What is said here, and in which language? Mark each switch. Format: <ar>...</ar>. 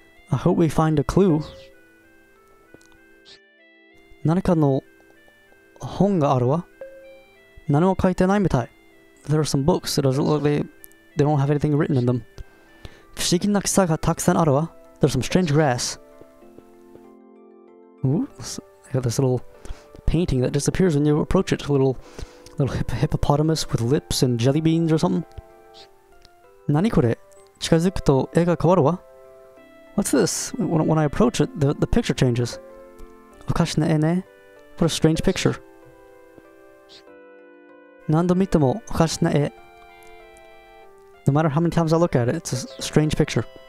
<en>I hope we find a clue.</en> <ja>何かの本があるわ。何も書いてないみたい。</ja> <en>There are some books that are literally... They don't have anything written in them.</en> <ja>不思議な草がたくさんあるわ。</ja> <en>There's some strange grass. Ooh, I got this little painting that disappears when you approach it. A little hippopotamus with lips and jelly beans or something.</en> <ja>何これ? 近づくと絵が変わるわ。</ja> <en>What's this? When I approach it, the picture changes.</en> <ja>おかしな絵ね。</ja> <en>What a strange picture.</en> <ja>何度見てもおかしな絵。</ja> <en>No matter how many times I look at it, it's a strange picture.</en>